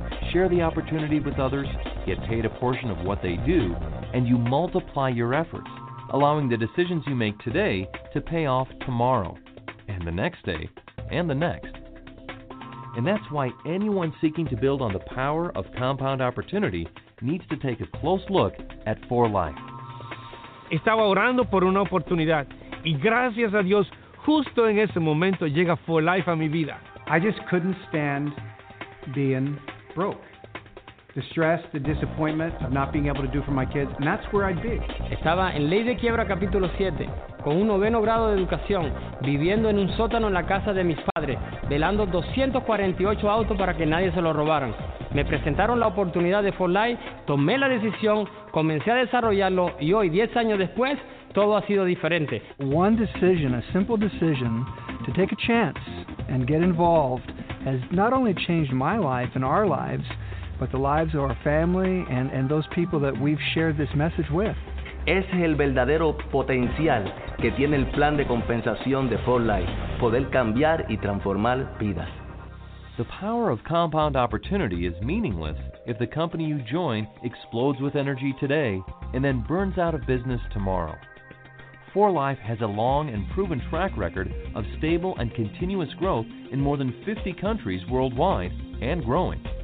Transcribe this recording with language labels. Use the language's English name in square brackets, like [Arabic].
[English] Share the opportunity with others, get paid a portion of what they do, and you multiply your efforts, allowing the decisions you make today to pay off tomorrow, and the next day, and the next. And that's why anyone seeking to build on the power of compound opportunity needs to take a close look at 4-Life. [Spanish] Estaba orando por una oportunidad, y gracias a Dios, justo en ese momento llega 4-Life a mi vida. [English] I just couldn't stand being broke. The stress, the disappointment of not being able to do for my kids, and that's where I'd be. [Spanish] Estaba en ley de quiebra capítulo 7, con un noveno grado de educación, viviendo en un sótano en la casa de mis padres, velando 248 autos para que nadie se lo robaran. Me presentaron la oportunidad de 4-Life, tomé la decisión, comencé a desarrollarlo, y hoy, 10 años después, todo ha sido diferente. [English] One decision, a simple decision, to take a chance and get involved has not only changed my life and our lives, but the lives of our family and those people that we've shared this message with. [Spanish] Ese es el verdadero potencial que tiene el plan de compensación de 4-Life, poder cambiar y transformar vidas. [English] The power of compound opportunity is meaningless if the company you join explodes with energy today and then burns out of business tomorrow. 4-Life has a long and proven track record of stable and continuous growth in more than 50 countries worldwide and growing.